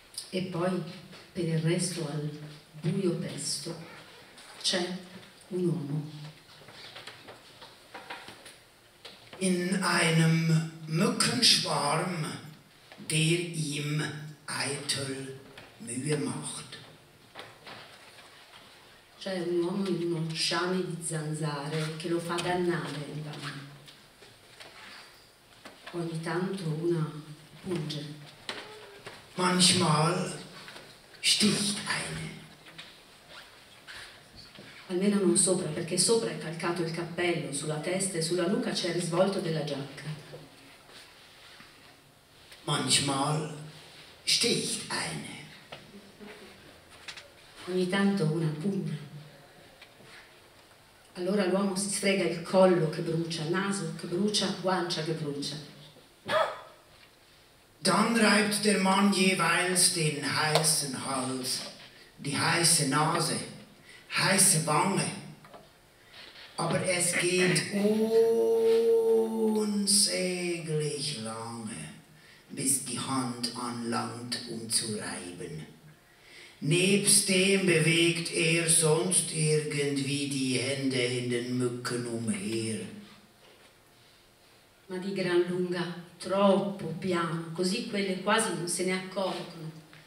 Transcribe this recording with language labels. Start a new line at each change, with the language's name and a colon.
Italian: E poi per il resto al buio pesto c'è un uomo.
German: In einem Mückenschwarm, der ihm eitel Mühe macht.
Italian: C'è un uomo in uno sciame di zanzare che lo fa dannare. Ogni tanto una punge.
German: Manchmal sticht eine.
Italian: Almeno non sopra, perché sopra è calcato il cappello, sulla testa e sulla nuca c'è il risvolto della giacca.
German: Manchmal sticht eine.
Italian: Ogni tanto una pugna. Allora l'uomo si sfrega il collo che brucia, il naso che brucia, guancia che brucia.
German: Dann reibt der Mann jeweils den heißen Hals, die heiße Nase, heiße Wange. Aber es geht unsäglich lange, bis die Hand anlangt, um zu reiben. Nebst dem bewegt sonst irgendwie die Hände in den Mücken umher.
Italian: Ma di gran lunga, troppo piano, così quelle quasi non se ne accorgono.